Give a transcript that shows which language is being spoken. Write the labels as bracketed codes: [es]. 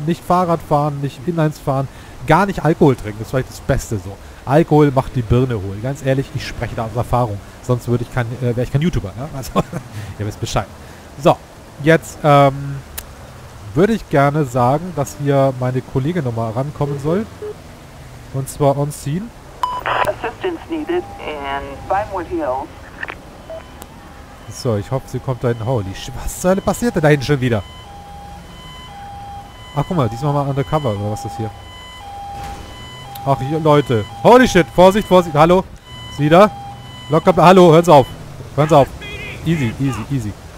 [de] Nicht Fahrrad fahren, nicht Inlines fahren, gar nicht Alkohol trinken. Das ist vielleicht das Beste so. Alkohol macht die Birne hohl. Ganz ehrlich, ich spreche da aus Erfahrung. Sonst würde ich wäre ich kein YouTuber, ne? Also, ihr wisst Bescheid. So, jetzt würde ich gerne sagen, dass hier meine Kollegin nochmal rankommen soll. Und zwar [en] on scene. Assistance needed and find what else. [de] So, ich hoffe, sie kommt da hin. [en] Holy shit, [de] was zur Hölle passiert denn da hinten schon wieder? Ach, guck mal, diesmal mal undercover, oder was ist hier? Ach, hier, Leute. [en] Holy shit, [de] Vorsicht, Vorsicht. Hallo? Sie da? Locker, hallo, hören Sie auf. Hören Sie auf. [en] Easy, easy, easy.